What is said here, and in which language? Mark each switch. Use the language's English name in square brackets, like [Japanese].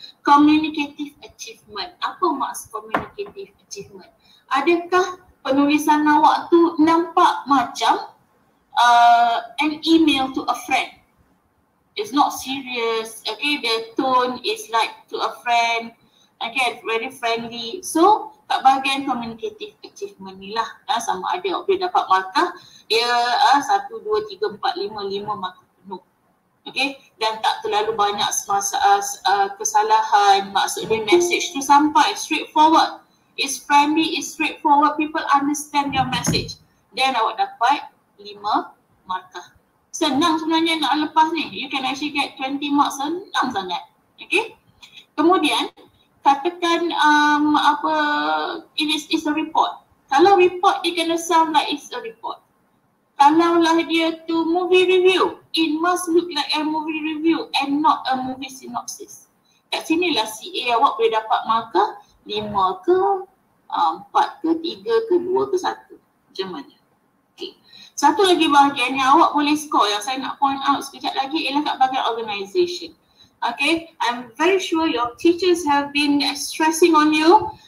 [English] Communicative achievement. [Malay] Apa [English] marks communicative achievement? [Malay] Adakah penulisan awak tu nampak macam [English] an email to a friend? It's not serious. Okay, the tone is like to a friend. Again, very friendly. So, [Malay] kat bahagian [English] communicative achievement [Malay] ni lah. Sama ada awak boleh dapat markah. Ia 1, 2, 3, 4, 5, 5 markah penuh. Okay. Dan tak terlalu banyak kesalahan. Maksudnya [English] message [Malay] tu sampai. [English] Straightforward. It's friendly, it's straightforward. People understand your message. Then [Malay] awak dapat 5 markah. Senang sebenarnya nak lepas ni. [English] You can actually get 20 marks. [Malay] Senang sangat. Okay. Kemudian, katakan apa, [English] it is a report. [Malay] Kalau [English] report, it gonna sound like it's a report. [Malay] Kalaulah dia tu [English] movie review, it must look like a movie review and not a movie synopsis. [Malay] Kat sinilah CA awak boleh dapat markah 5 ke 4 ke 3 ke 2 ke 1. Macam mana? Okay. Satu lagi bahagian yang awak boleh score yang saya nak [English] point out [Malay] sekejap lagi ialah kat bahagian organisation. [English] Okay, I'm very sure your teachers have been stressing on you.